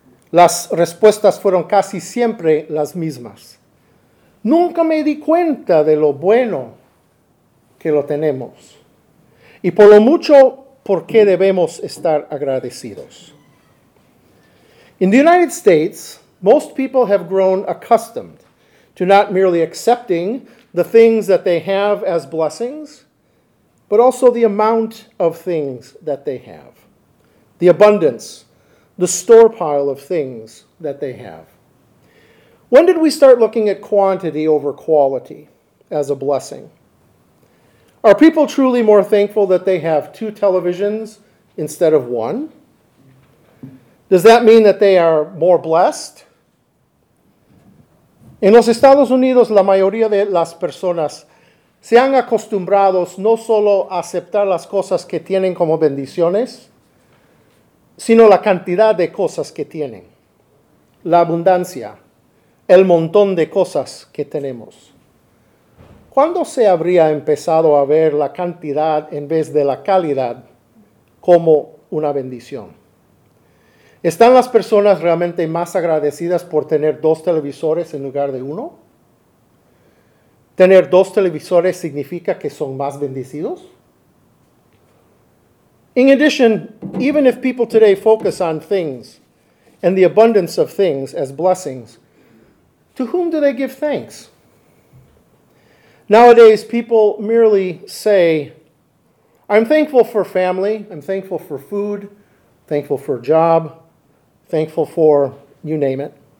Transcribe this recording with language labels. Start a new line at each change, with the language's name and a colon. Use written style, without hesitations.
Spanish: Las respuestas fueron casi siempre las mismas. "Nunca me di cuenta de lo bueno que lo tenemos y por lo mucho por qué debemos estar agradecidos."
English: In the United States, most people have grown accustomed to not merely accepting the things that they have as blessings, but also the amount of things that they have, the abundance, the store pile of things that they have. When did we start looking at quantity over quality as a blessing? Are people truly more thankful that they have two televisions instead of one? Does that mean that they are more blessed?
Spanish: En los Estados Unidos, la mayoría de las personas se han acostumbrado no solo a aceptar las cosas que tienen como bendiciones, sino la cantidad de cosas que tienen, la abundancia, el montón de cosas que tenemos. ¿Cuándo se habría empezado a ver la cantidad en vez de la calidad como una bendición? ¿Están las personas realmente más agradecidas por tener dos televisores en lugar de uno? ¿Tener dos televisores significa que son más bendecidos?
English: In addition, even if people today focus on things, and the abundance of things as blessings, to whom do they give thanks? Nowadays, people merely say, I'm thankful for family, I'm thankful for food, thankful for a job, thankful for you name it.